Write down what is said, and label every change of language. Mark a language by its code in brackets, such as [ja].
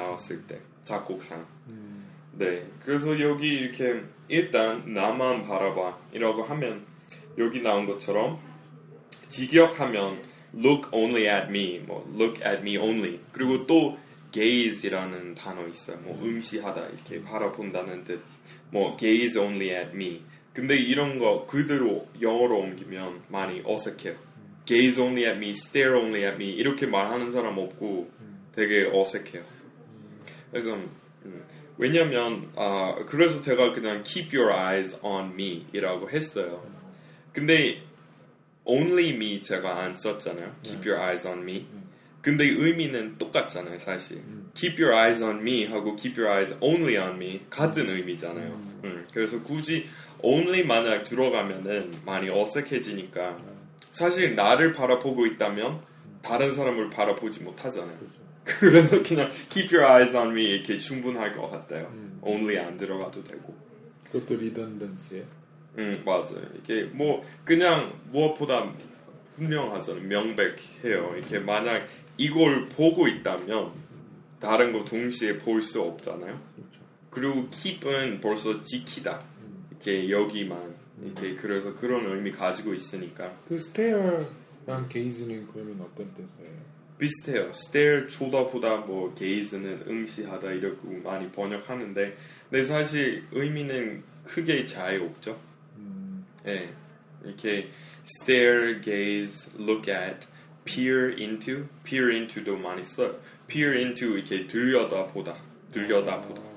[ko] 나왔을 때 작곡상. 네, 그래서 여기 이렇게 일단 나만 바라봐이라고 하면 여기 나온 것처럼 직역하면 [en] look only at me, [ko] 뭐 [en] look at me only. [ko] 그리고 또 gaze이라는 단어 있어요. 뭐 응시하다 이렇게 바라본다는 뜻. [en] 뭐 gaze only at me. [ko] 근데 이런 거 그대로 영어로 옮기면 많이 어색해요. [en] gaze only at me, stare only at me [ko] 이렇게 말하는 사람 없고 되게 어색해요. 그래서 왜냐면 그래서 제가 그냥 [en] keep your eyes on me [ko] 이라고 했어요. 근데 only me 제가 안 썼잖아요. [en] keep your eyes on me. [ko] 근데 의미는 똑같잖아요, 사실. [en] keep your eyes on me [ko] 하고 [en] keep your eyes only on me [ko] 같은 의미잖아요. 그래서 굳이 only 만약 들어가면은 많이 어색해지니까 사실 나를 바라보고 있다면 다른 사람을 바라보지 못하잖아요. 그래서 그냥 [en] keep your eyes on me [ko] 이렇게 충분할 것 같아요. only 안 들어가도 되고. 그것도 리던던스예요. 맞아요. 이게 뭐 그냥 무엇보다 분명하잖아요. 명백해요. 이렇게 만약 이걸 보고 있다면 다른 거 동시에 볼수 없잖아요. 그리고 keep은 벌써 지키다. 이렇게 여기만 이렇게 그래서 그런 의미 가지고 있으니까 그 스테어랑 게이즈는 그러면 어떤 뜻이에요? 비슷해요. stare 쳐다보다 뭐 gaze는 응시하다 이러고 많이 번역하는데 근데 사실 의미는 크게 차이 없죠. 예, 이렇게 stare, gaze, look at, peer into, peer into도 많이 써요. peer into 이렇게 들여다보다, 들여다보다.